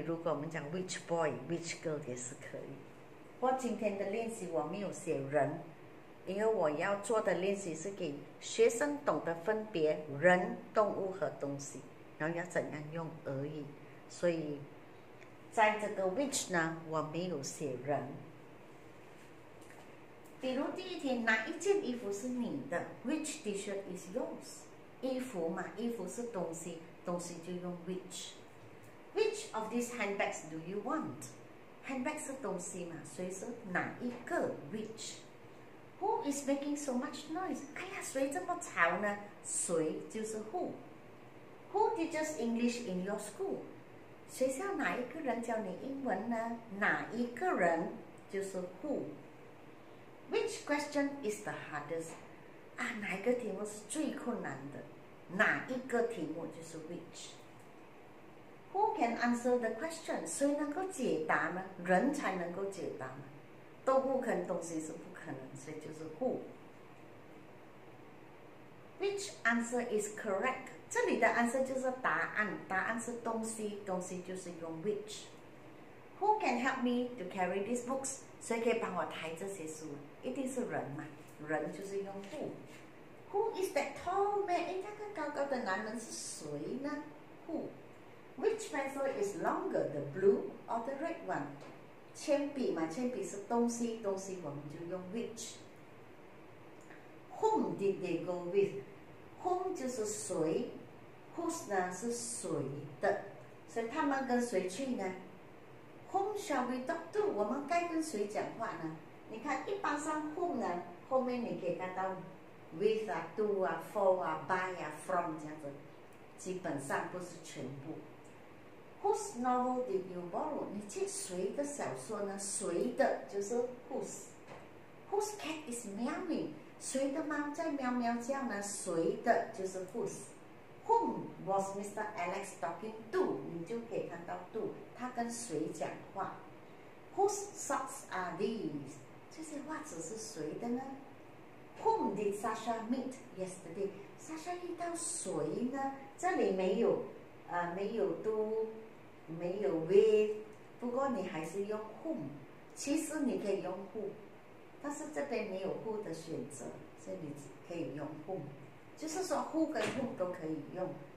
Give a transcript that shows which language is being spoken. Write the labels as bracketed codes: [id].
[zh] 如果我们讲 [en] which boy which girl [zh] 也是可以。我今天的练习我没有写人，因为我要做的练习是给学生懂得分别人、动物和东西，然后要怎样用而已。所以在这个 which 呢，我没有写人。比如第一题，哪一件衣服是你的？ [en] Which T-shirt is yours? [zh] 衣服嘛，衣服是东西，东西就用 which。 [en] Which of these handbags do you want? [zh] Handbag 是东西嘛，所以是哪一个 which。 [en] Who is making so much noise? [zh] 哎呀，谁这么吵呢？谁就是 who。 [en] Who teaches English in your school? [zh] 学校哪一个人教你英文呢？哪一个人就是 who。 [en] Which question is the hardest? [zh] 啊，哪一个题目是最困难的？哪一个题目就是 which。 [en] Who can answer the question? [zh] 谁能够解答呢？人才能够解答呢，动物跟东西是不可能，所以就是 who。 [en] Which answer is correct? [zh] 这里的 answer 就是答案，答案是东西，东西就是用 which。 [en] Who can help me to carry these books? [zh] 谁可以帮我抬这些书？一定是人嘛，人就是用 who。 [en] Who is that tall man? [zh] 哎，那个高高的男人是谁呢？ [en] Who? Which pencil is longer, the blue or the red one? [zh] 铅笔嘛，铅笔是东西，东西我们就用 which。 [en] Whom did they go with? Whom [zh] 就是谁 [en] ，whose [zh] 呢是谁的，所以他们跟谁去呢 [en] ？Whom shall we talk to? [zh] 我们该跟谁讲话呢？你看，一般上 whom 呢，后面你可以看到 with 啊、to 啊、for 啊、by 啊、from 这样子，基本上不是全部。 [en] Whose novel did you borrow? [zh] 你借谁的小说呢？谁的就是 whose。 [en] Whose cat is meowing? [zh] 谁的猫在喵喵叫呢？谁的就是 whose。 [en] Whom was Mr. Alex talking to? [zh] 你就可以看到 to 他跟谁讲话。 [en] Whose socks are these? [zh] 这些袜子是谁的呢？ [en] Whom did Sasha meet yesterday? [zh] Sasha 遇到谁呢？这里没有没有 do， 没有 with， 不过你还是用 whom， 其实你可以用 who， 但是这边没有 who 的选择，所以你可以用 whom， 就是说 who 跟 whom 都可以用。